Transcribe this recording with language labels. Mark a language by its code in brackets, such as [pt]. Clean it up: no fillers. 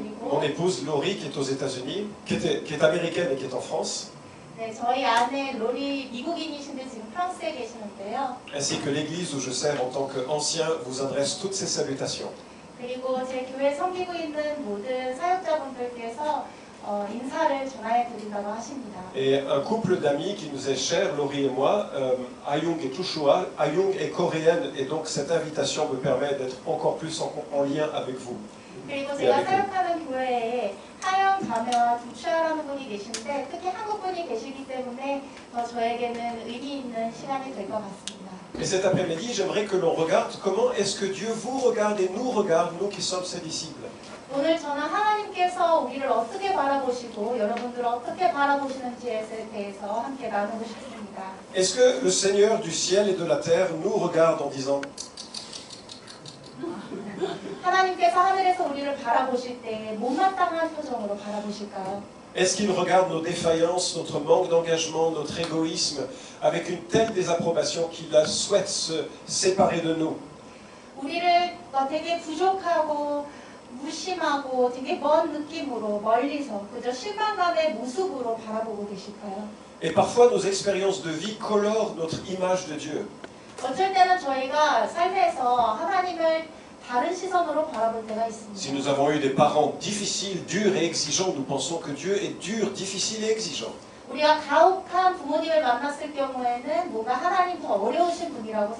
[fr] Mon épouse Laurie, qui est aux États-Unis, qui est américaine et qui est en France. [ko] 네, 저희 아내 로리 미국인이신데 지금 프랑스에 계시는데요. [fr] Ainsi que l'église où je sers en tant qu'ancien vous adresse toutes ces salutations. [ko] 그리고 제 교회 섬기고 있는 모든 사역자분들께서 인사를 전해 드린다고 하십니다. [fr] Et un couple d'amis qui nous est cher, Laurie et moi, Ayung et Tushua. Ayung est coréenne et donc cette invitation me permet d'être encore plus en lien avec vous. [ko] 그리고 제가 사역하는 교회에 하영 자매와 두추아라는 분이 계신데 특히 한국 분이 계시기 때문에 더 저에게는 의미 있는 시간이 될 것 같습니다. [fr] Et cet après-midi, j'aimerais que l'on regarde comment est-ce que Dieu vous regarde et nous regarde, nous qui sommes ses disciples. [ko] 오늘 저는 하나님께서 우리를 어떻게 바라보시고 여러분들을 어떻게 바라보시는지에 대해서 함께 나누고 싶습니다. [fr] Est-ce que le Seigneur du ciel et de la terre nous regarde en disant [ko] 하나님께서 하늘에서 우리를 바라보실 때 못마땅한 표정으로 바라보실까요? [fr] Est-ce qu'il regarde nos défaillances, notre manque d'engagement, notre égoïsme avec une telle désapprobation qu'il souhaite se séparer de nous? [ko] 우리를 되게 부족하고 무심하고 되게 먼 느낌으로 멀리서 그저 실망감의 모습으로 바라보고 계실까요? [fr] Et parfois nos expériences de vie colorent notre image de Dieu. [ko] 어쩔 때는 저희가 삶에서 하나님을 다른 시선으로 바라볼 때가 있습니다. [fr] Si nous avons eu des parents difficiles, durs et exigeants, nous pensons que Dieu est dur, difficile et exigeant. [ko] 우리가 가혹한 부모님을 만났을 경우에는 뭔가 하나님 더 어려우신 분이라고 생각합니다.